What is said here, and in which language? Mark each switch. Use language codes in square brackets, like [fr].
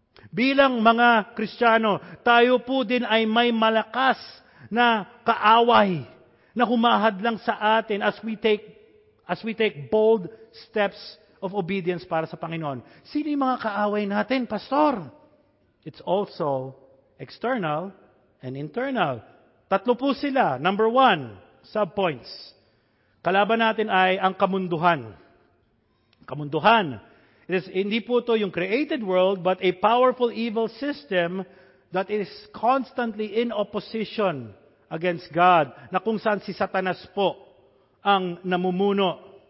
[tl] Bilang mga Kristiyano, tayo po din ay may malakas na kaaway na humahadlang sa atin [en] as we take bold steps of obedience [tl] para sa Panginoon. Sino yung mga kaaway natin, Pastor? [en] It's also external and internal. [tl] Tatlo po sila. [en] Number one, sub-points. [tl] Kalaban natin ay ang kamunduhan. Kamunduhan. [en] It is [tl] hindi po ito yung [en] created world, but a powerful evil system that is constantly in opposition against God, [tl] na kung saan si Satanas po ang namumuno.